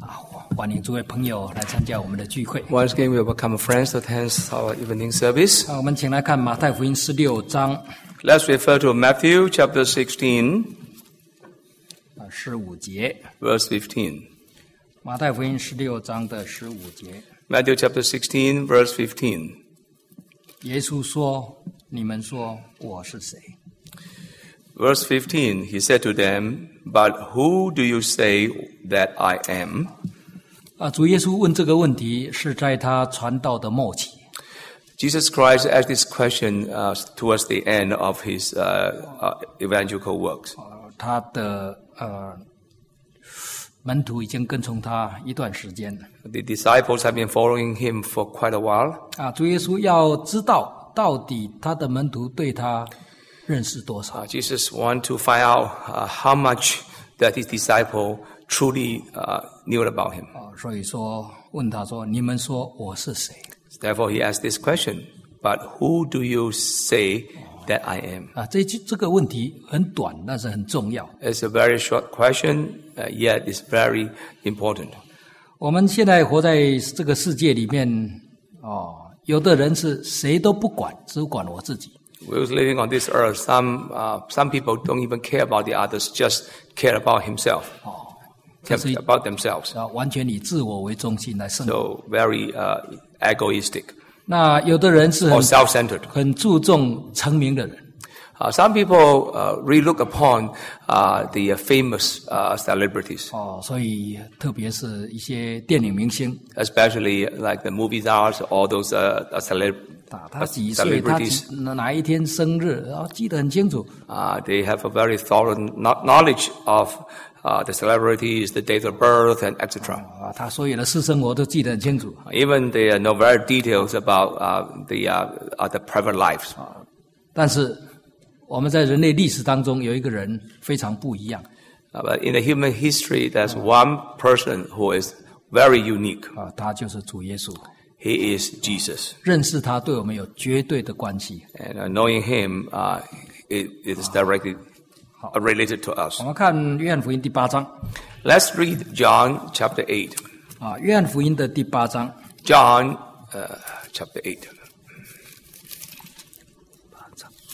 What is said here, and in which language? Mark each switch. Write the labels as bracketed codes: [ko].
[en] Once again, we welcome friends to attend our evening service. [zh] 我们请来看马太福音十六章。 [en] Let's refer to Matthew chapter [zh] 16. 十五节。 [en] Verse 15. [zh] 马太福音十六章的十五节。 [en] Matthew chapter 16, verse 15. [zh] 耶稣说，你们说我是谁？ [en] Verse 15, he said to them, but who do you say that I am? [zh] 主耶稣问这个问题是在他传道的末期。 [en] Jesus Christ asked this question towards the end of his evangelical works. [zh] 他的门徒已经跟从他一段时间了。 [en] The disciples have been following him for quite a while. [zh] 主耶稣要知道到底他的门徒对他认识多少。 [en] Jesus wants to find out how much that his disciple truly knew about him. [zh] 所以说问他说你们说我是谁。 [en] Therefore he asked this question, but who do you say that I am? [zh] 这个问题很短但是很重要。 [en] It's a very short question, yet it's very important. [zh] 我们现在活在这个世界里面有的人是谁都不管只管我自己。 [en] We're living on this earth. Some people don't even care about the others, just care about himself. About themselves. [zh] 完全以自我为中心来生活。 [en] So very egoistic. [zh] 那有的人是很 [en] self-centered, [zh] 很注重成名的人。 [en] Some people really look upon the famous celebrities. [zh] 所以特别是一些电影明星。 [en] Especially like the movie stars, all those celebrities. [zh] 他几岁他哪一天生日记得很清楚。 [en] They have a very thorough knowledge of, the celebrities, the date of birth, and etc. [zh] 他所有的私生活都记得很清楚。 [en] Even they know very details about, the private lives. [zh] 但是我们在人类历史当中有一个人非常不一样。 [en] But in the human history, there's one person who is very unique. [zh] 他就是主耶稣。 [en] He is Jesus. [zh] 认识他对我们有绝对的关系。 [en] And knowing him, it is directly related to us. [zh] 我们看约翰福音第八章。 [en] Let's read John chapter 8. [zh] 约翰福音的第八章。 [en] John chapter 8. [zh] 八章。